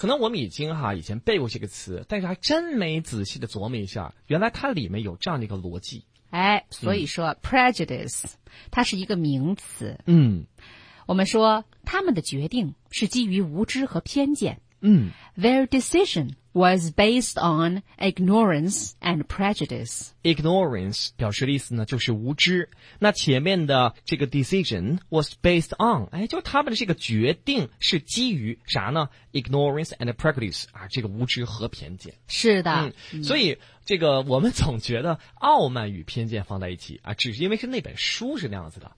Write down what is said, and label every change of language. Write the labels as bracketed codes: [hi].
[zh] 可能我们已经哈以前背过这个词，但是还真没仔细的琢磨一下，原来它里面有这样的一个逻辑。哎，所以说，嗯，prejudice 它是一个名词。嗯，我们说他们的决定是基于无知和偏见。嗯 [en] ，their decision was based on ignorance and prejudice. [zh] Ignorance 表示的意思呢就是无知。那前面的这个 [en] decision was based on, [zh] 哎就他们的这个决定是基于啥呢 ? [en] ignorance and prejudice, [zh] 啊这个无知和偏见。是的。所以这个我们总觉得傲慢与偏见放在一起啊只是因为是那本书是那样子的。